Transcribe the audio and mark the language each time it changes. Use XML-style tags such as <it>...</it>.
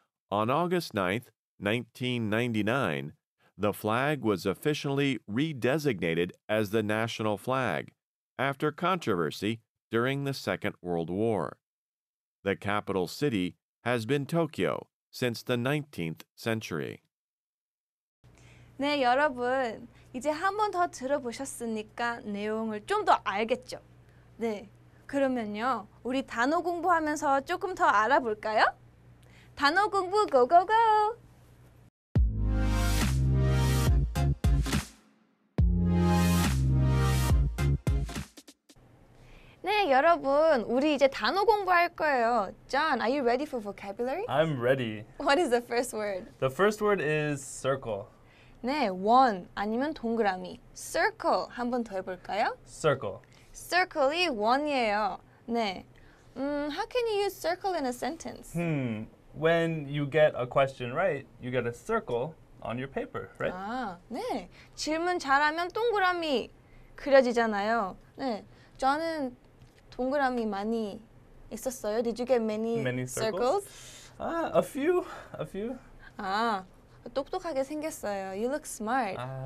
<en>On August 9, 1999, the flag was officially redesignated as the national flag after controversy during the Second World War. The capital city has been Tokyo since the 19th century.</en> <ko>네, 여러분. 이제 한 번 더 들어보셨으니까 내용을 좀 더 알겠죠? 네, 그러면요. 우리 단어 공부하면서 조금 더 알아볼까요? 단어 공부 고고고! Hey, 여러분, 우리 이제 단어 공부할 거예요.</ko> <en>John, are you ready for vocabulary? I'm ready. What is the first word? The first word is circle.</en> <ko>네, 원 아니면 동그라미. Circle 한번 더 해볼까요?</ko> <en>Circle.</en> <ko>Circle이 원이에요. 네.</ko> <en>How can you use circle in a sentence? When you get a question right, you get a circle on your paper, right?</en> <ko>아, 네. 질문 잘하면 동그라미 그려지잖아요. 네, 저는 동그라미 많이 있었어요.</ko> <en>Did you get many circles? A few.</en> <ko>아, 똑똑하게 생겼어요.</ko> <en>You look smart.</en>